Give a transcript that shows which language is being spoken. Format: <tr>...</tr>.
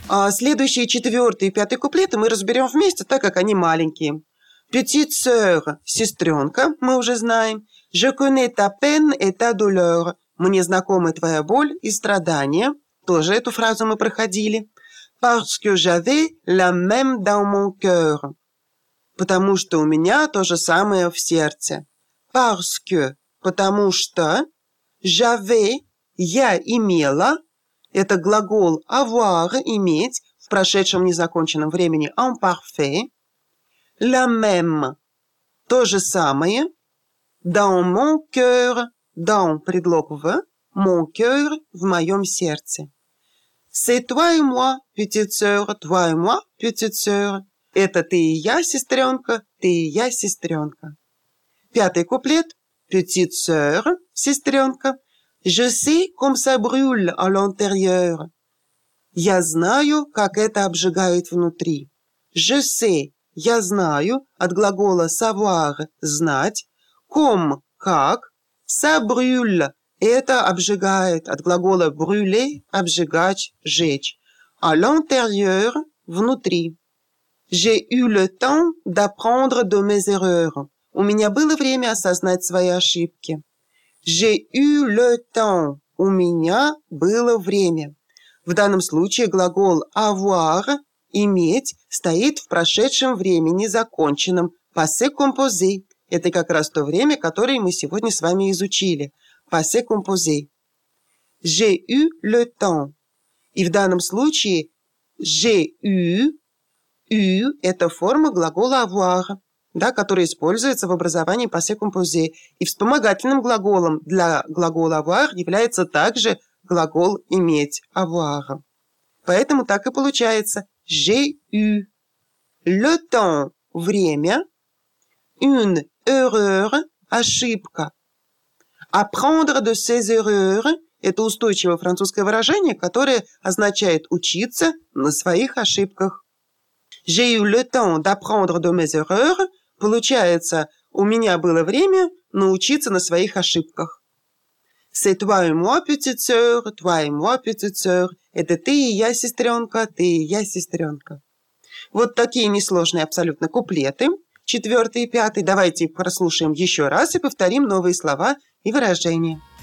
<ru>Следующие четвертый и пятый куплеты мы разберем вместе, так как они маленькие.</ru> <fr>Petite sœur,</fr> <ru>сестренка, мы уже знаем.</ru> <fr>Je connais ta peine et ta douleur.</fr> <ru>Мне знакомы твоя боль и страдания. Тоже эту фразу мы проходили.</ru> <fr>Parce que j'avais la même dans mon cœur.</fr> <ru>Потому что у меня то же самое в сердце.</ru> <fr>Parce que,</fr> <ru>потому что. J'avais, я имела. Это глагол avoir, иметь, в прошедшем незаконченном времени en parfait.</ru> <fr>La même,</fr> <ru>то же самое.</ru> <fr>Dans mon cœur, dans,</fr> <ru>предлог в,</ru> <fr>mon cœur,</fr> <ru>в моем сердце.</ru> <fr>C'est toi et moi, petite sœur, toi et moi, petite sœur.</fr> <ru>Это ты и я, сестренка, ты и я, сестренка. Пятый куплет.</ru> <fr>Petite sœur,</fr> <ru>сестренка.</ru> <fr>Je sais comme ça brûle à l'intérieur.</fr> <ru>Я знаю, как это обжигает внутри.</ru> <fr>Je sais,</fr> <ru>я знаю, от глагола savoir, знать. Comme, как.</ru> <fr>Ça brûle,</fr> <ru>это обжигает, от глагола brûler, обжигать, жечь.</ru> <fr>À l'intérieur,</fr> <ru>внутри.</ru> <fr>J'ai eu le temps d'apprendre de mes erreurs.</fr> <ru>У меня было время осознать свои ошибки.</ru> <fr>J'ai eu le temps.</fr> <ru>У меня было время. В данном случае глагол avoir, иметь, стоит в прошедшем времени законченном. Passé composé. Это как раз то время, которое мы сегодня с вами изучили.</ru> <fr>Passé composé. J'ai eu le temps.</fr> <ru>И в данном случае</ru> <fr>j'ai eu.</fr> <ru>Eu – это форма глагола avoir. Да, который используется в образовании passé composé. И вспомогательным глаголом для глагола avoir является также глагол иметь – avoir. Поэтому так и получается.</ru> <fr>J'ai eu. Le temps – время. Une erreur – ошибка. Apprendre de ses erreurs</fr> <ru>– это устойчивое французское выражение, которое означает учиться на своих ошибках.</ru> <fr>J'ai eu le temps d'apprendre de mes erreurs –</fr> <ru>получается, у меня было время научиться на своих ошибках.</ru> <fr>C'est toi et moi, petite sœur, toi et moi, petite sœur.</fr> <ru>Это ты и я, сестренка, ты и я, сестренка. Вот такие несложные абсолютно куплеты. Четвертый и пятый. Давайте прослушаем еще раз и повторим новые слова и выражения.</ru>